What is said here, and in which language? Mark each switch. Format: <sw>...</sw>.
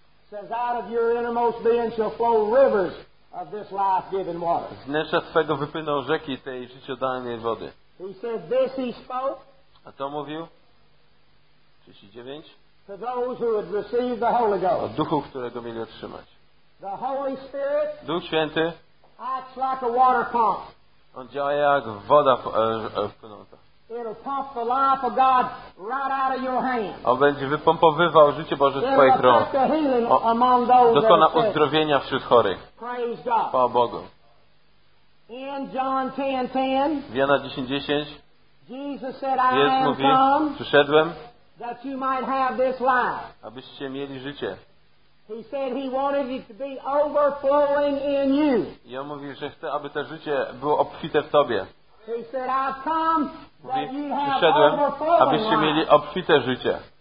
<en>says, out of your innermost being shall flow rivers of this life-giving water.</en> <pl>Z wnętrza swego wypłyną rzeki tej życiodajnej wody.</pl> <en>He said this he spoke.</en> <pl>A to mówił? 39.</pl> <en>To those who had received the Holy Ghost.</en> <pl>O duchu, którego mieli otrzymać.</pl> <en>The Holy Spirit.</en> <pl>Duch Święty.</pl> <en>Acts like a water pump.</en> <pl>On działa jak woda płynąca.</pl> <en>It'll pump the life of God right out of your hand.</en> <pl>On będzie wypompowywał życie Boże z Twoich rąk. Dokona uzdrowienia wśród chorych.</pl> <en>Praise God.</en> <pl>Chwała Bogu.</pl> <en>In John 10:10.</en> <pl>W Jana 10:10.</pl> <en>Jesus said, I am come.</en> <pl>Przyszedłem.</pl> <en>That you might have this life.</en> <pl>Abyście mieli życie.</pl> <en>He said he wanted it to be overflowing in you.</en> <pl>I on mówi, że chce, aby to życie było obfite w Tobie.</pl> <en>He said, I come.</en> <pl>Mówi, przyszedłem, abyście mieli obfite życie.</pl>